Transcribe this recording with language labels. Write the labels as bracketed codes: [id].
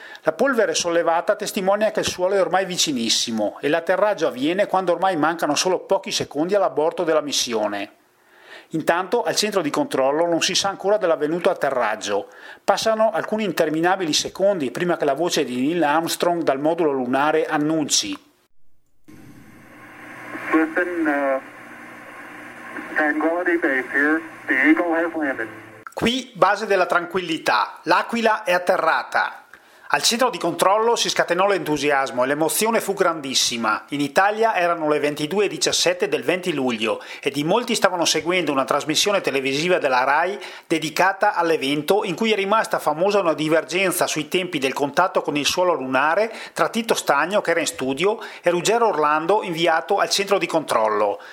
[it] La polvere sollevata testimonia che il suolo è ormai vicinissimo e l'atterraggio avviene quando ormai mancano solo pochi secondi all'aborto della missione. Intanto, al centro di controllo non si sa ancora dell'avvenuto atterraggio. Passano alcuni interminabili secondi prima che la voce di Neil Armstrong dal modulo lunare annunci: [en] Griffin, Tranquility Base here. The Eagle has landed. [it] Qui, base della tranquillità. L'Aquila è atterrata. Al centro di controllo si scatenò l'entusiasmo e l'emozione fu grandissima. In Italia erano le 22:17 del 20 luglio e di molti stavano seguendo una trasmissione televisiva della RAI dedicata all'evento, in cui è rimasta famosa una divergenza sui tempi del contatto con il suolo lunare tra Tito Stagno, che era in studio, e Ruggero Orlando, inviato al centro di controllo.